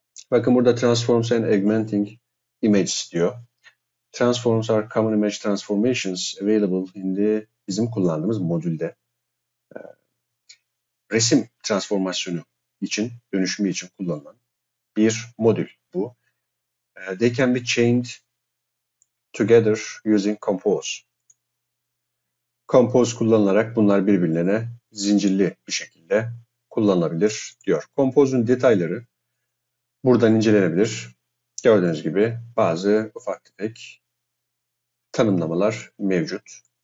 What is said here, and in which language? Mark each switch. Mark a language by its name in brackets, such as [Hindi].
[Turkish] Bakın burada [English] transforms and augmenting images [Turkish] diyor. [English] Transforms are common image transformations available in the [Turkish] bizim kullandığımız modülde. Resim transformasyonu için, dönüşümü için kullanılan bir modül bu. [English] They can be chained together using compose. [Turkish] Compose kullanılarak bunlar birbirlerine zincirli bir şekilde kullanılabilir diyor. Compose'un detayları buradan incelenebilir. Gördüğünüz gibi bazı ufak tefek tanımlamalar mevcut.